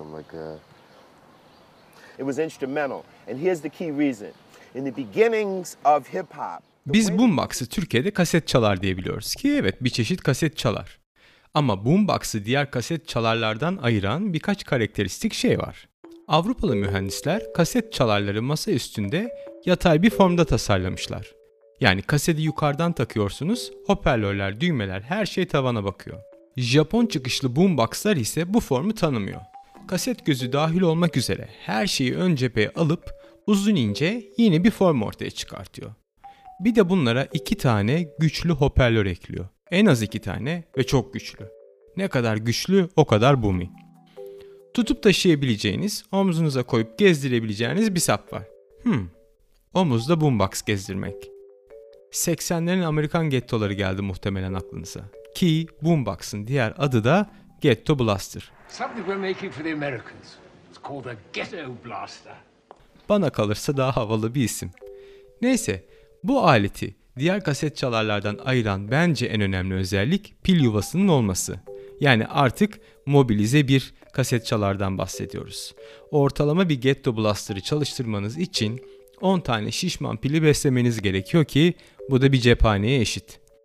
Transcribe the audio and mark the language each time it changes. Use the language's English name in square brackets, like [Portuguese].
[English] I'm like it was instrumental. And here's the key reason. In the beginnings of hip hop. [Turkish] Biz boombox'ı Türkiye'de kaset çalar diye biliyoruz ki evet, bir çeşit kaset çalar. Ama boombox'ı diğer kaset çalarlardan ayıran birkaç karakteristik şey var. Avrupalı mühendisler kaset çalarları masa üstünde yatay bir formda tasarlamışlar. Yani kaseti yukarıdan takıyorsunuz, hoparlörler, düğmeler, her şey tavana bakıyor. Japon çıkışlı boombox'lar ise bu formu tanımıyor. Kaset gözü dahil olmak üzere her şeyi ön cepheye alıp uzun ince yeni bir form ortaya çıkartıyor. Bir de bunlara iki tane güçlü hoparlör ekliyor. En az iki tane ve çok güçlü. Ne kadar güçlü o kadar boomy. Tutup taşıyabileceğiniz, omzunuza koyup gezdirebileceğiniz bir sap var. Omuzda boombox gezdirmek. 80'lerin Amerikan gettoları geldi muhtemelen aklınıza. Ki boombox'ın diğer adı da Ghetto Blaster. [English] Something we're making for the Americans. It's called a Ghetto Blaster. [Turkish] Bana kalırsa daha havalı bir isim. Neyse, bu aleti diğer kaset çalarlardan ayıran bence en önemli özellik pil yuvasının olması. Yani artık mobilize bir kaset çalardan bahsediyoruz. Ortalama bir Ghetto Blaster'ı çalıştırmanız için 10 tane şişman pili beslemeniz gerekiyor ki bu da bir cephaneye eşit.